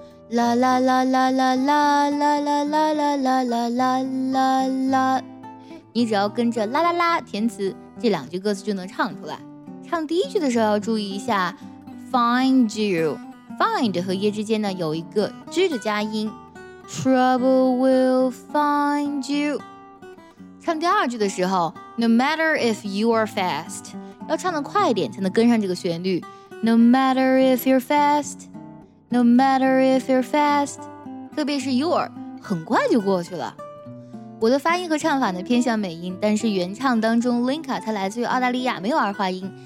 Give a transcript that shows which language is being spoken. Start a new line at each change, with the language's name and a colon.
Chinese: 啦啦啦啦啦啦啦啦啦啦啦啦啦啦啦，你只要跟着啦啦啦填词，这两句歌词就能唱出来。唱第一句的时候要注意一下
English: find you，
Chinese: find 和 ye 之间呢有一个 j 的加音。
English: Trouble will find you.
Chinese: 唱第二句的时候
English: No matter if you are fast.
Chinese: 要唱得快一点才能跟上这个旋律。
English: No matter if you're fast. No matter if you're fast.
Chinese: 特别是 your, 很快就过去了。我的发音和唱法呢偏向美音，但是原唱当中 Linka 它来自于澳大利亚，没有儿化音。